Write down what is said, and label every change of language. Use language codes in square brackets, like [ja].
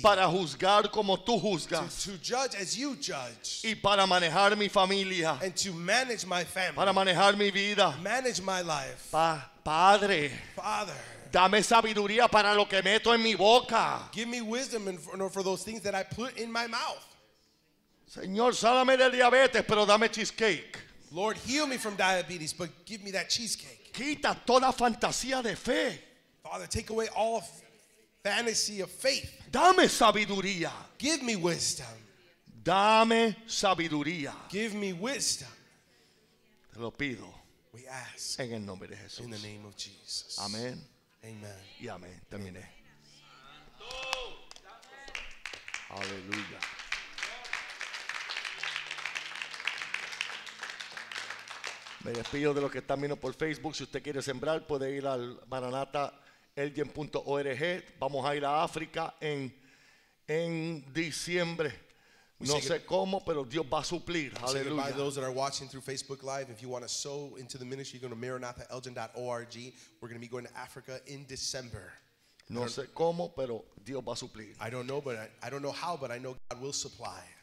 [es] Para juzgar como tú juzgas. [en] To judge as you judge. [es] Y para manejar mi familia. [en] And to manage my family. [es] Para manejar mi vida. [en] Manage my life. [es] Padre. [en] Father. [es] Dame sabiduría para lo que meto en mi boca. [en] Give me wisdom for those things that I put in my mouth. [es] Señor, sáname de diabetes, pero dame cheesecake. [en] Lord, heal me from diabetes, but give me that cheesecake. [es] Quita toda fantasía de fe. [en] Father, take away all fantasy of faith. [es] Dame sabiduría. [en] Give me wisdom. [es] Dame sabiduría. [en] Give me wisdom. [es] Te lo pido. [en] We ask. [es] En el nombre de Jesús. [en] In the name of Jesus. [es] Amén. [en] Amen. [es] Y amén. Terminé. Santo. Aleluya. Me despido de los que están viendo por Facebook. Si usted quiere sembrar, puede ir al maranataelgen.org. Vamos a ir a África en diciembre. No sé cómo, pero Dios va a suplir. Aleluya. [en] By those that are watching through Facebook Live, if you want to sow into the ministry, you go to maranataelgen.org. We're going to be going to Africa in December. [es] No sé cómo, pero Dios va a suplir. [en] I don't know, but I don't know how, but I know God will supply.